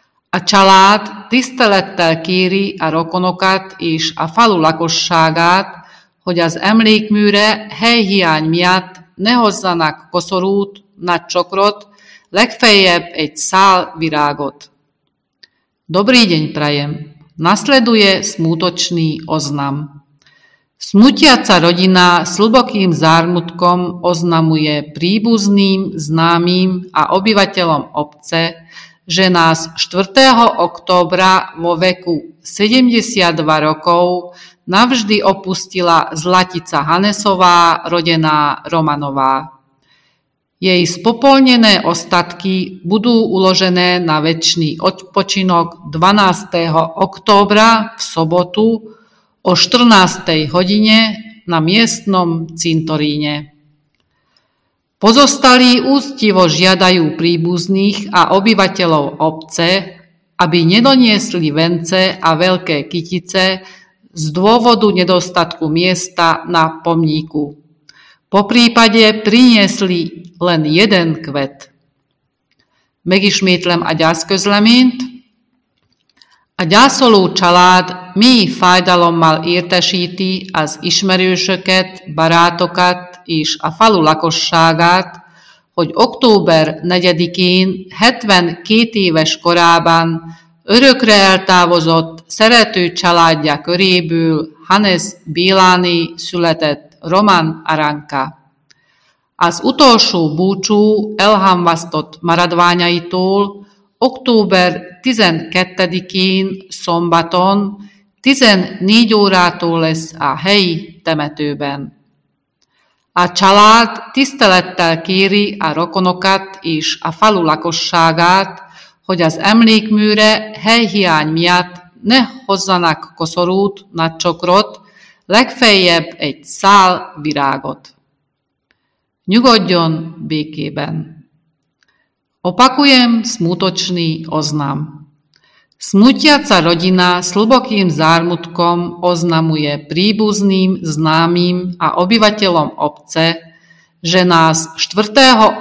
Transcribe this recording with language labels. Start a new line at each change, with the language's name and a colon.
Hungarian: A család tisztelettel kéri a rokonokat és a falu lakosságát, hogy az emlékműre helyhiány miatt ne hozzanak koszorút, nagy csokrot, legfeljebb egy szál virágot.
Slovak: Dobrý deň prajem. Nasleduje smutočný oznam. Smutiaca rodina s hlbokým zármutkom oznamuje príbuzným, známym a obyvateľom obce, že nás 4. októbra vo veku 72 rokov navždy opustila Zlatica Hannesová, rodená Romanová. Jej spopolnené ostatky budú uložené na večný odpočinok 12. októbra v sobotu o 14. hodine na miestnom cintoríne. Pozostalí úctivo žiadajú príbuzných a obyvateľov obce, aby nedoniesli vence a veľké kytice z dôvodu nedostatku miesta na pomníku. Poprípade priniesli len jeden kvet.
Hungarian: Megismétlem a gyászközleményt. A gyászoló család mély fájdalommal értesíti az ismerősöket, barátokat és a falu lakosságát, hogy október 4-én, 72 éves korában örökre eltávozott szerető családja köréből Hannes Béláné született Roman Aranka. Az utolsó búcsú elhamvasztott maradványaitól október 12-én szombaton 14 órától lesz a helyi temetőben. A család tisztelettel kéri a rokonokat és a falu lakosságát, hogy az emlékműre helyhiány miatt ne hozzanak koszorút, nagy csokrot, legfeljebb egy szál virágot. Nyugodjon békében.
Slovak: Opakujem smutočný oznam. Smutiaca rodina s hlbokým zármutkom oznamuje príbuzným, známym a obyvateľom obce, že nás 4.